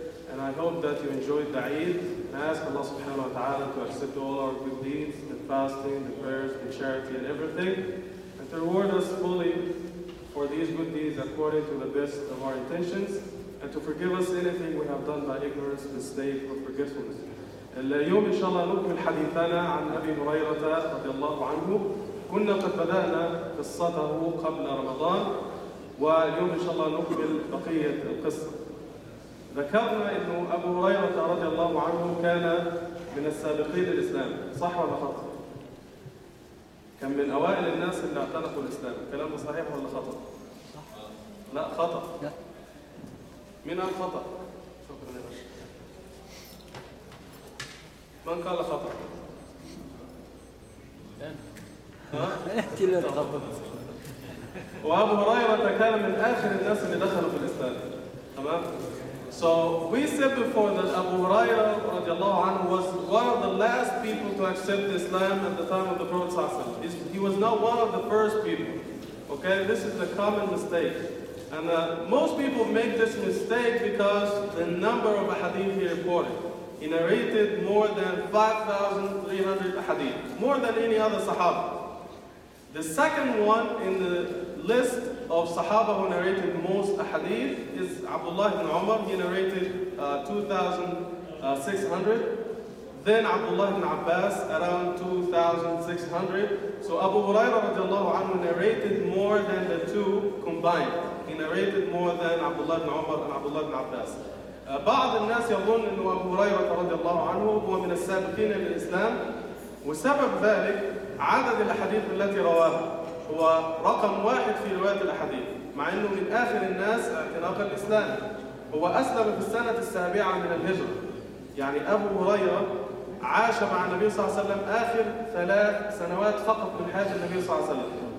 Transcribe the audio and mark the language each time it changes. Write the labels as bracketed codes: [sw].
[en] And I hope that you enjoyed the Eid. I ask Allah subhanahu wa ta'ala to accept all our good deeds, the fasting, the prayers, the charity and everything, and to reward us fully for these good deeds according to the best of our intentions, and to forgive us anything we have done by ignorance, mistake or forgetfulness. [ar] اليوم إن شاء الله نكمل حديثنا عن أبي هريرة رضي الله عنه. كنا قد بدأنا قصته قبل رمضان واليوم إن شاء الله نكمل بقية القصة. ذكرنا أن أبو هريرة رضي الله عنه كان من السابقين الإسلام، صح ولا خطأ؟ كان من أوائل الناس اللي اعتنقوا الإسلام، كلامه صحيح ولا خطأ؟ لا خطأ. من الخطأ؟ شكراً يا باشا. من قال خطأ؟ وأبو هريرة كان من آخر الناس اللي دخلوا في الإسلام. تمام؟ [en] So we said before that Abu Huraira [ar] رضي الله عنه [en] was one of the last people to accept Islam at the time of the Prophet [ar] صلى الله عليه وسلم. [en] He was not one of the first people. Okay, this is the common mistake. And most people make this mistake because the number of hadith he reported. He narrated more than 5,300 hadith, more than any other Sahaba. The second one in the list of Sahaba who narrated most hadith is Abdullah ibn Umar. He narrated 2,600. Then Abdullah ibn Abbas around 2,600. So Abu Huraira radiallahu anhu narrated more than the two combined. He narrated more than Abdullah ibn Umar and Abdullah ibn Abbas. [ar] بعض الناس يظن أن أبو هريرة رضي الله عنه هو من السابقين للإسلام، وسبب ذلك عدد الأحاديث التي رواها هو رقم واحد في رواية الأحاديث، مع أنه من آخر الناس اعتناق الإسلام. هو أسلم في السنة السابعة من الهجرة، يعني أبو هريرة عاش مع النبي صلى الله عليه وسلم آخر 3 سنوات فقط من حياة النبي صلى الله عليه وسلم.